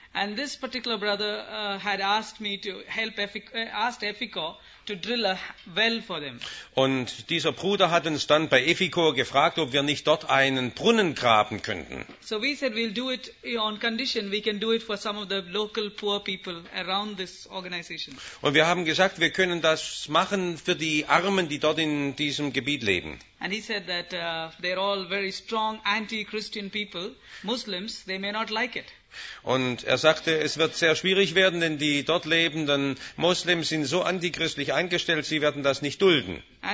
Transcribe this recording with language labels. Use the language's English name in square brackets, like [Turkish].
[English] And this particular brother had asked me to help asked EFICO to drill a well for them. [German] Und dieser Bruder hat uns dann bei EFICO gefragt, ob wir nicht dort einen Brunnen graben könnten. [English] So we said we'll do it on condition we can do it for some of the local poor people around this organization. [German] Und wir haben gesagt, wir können das machen für die Armen, die dort in diesem Gebiet leben. [English] And he said that they're all very strong anti-Christian people, Muslims, they may not like it. [German] Und er sagte, es wird sehr schwierig werden, denn die dort lebenden Moslems sind so antichristlich eingestellt, sie werden das nicht dulden.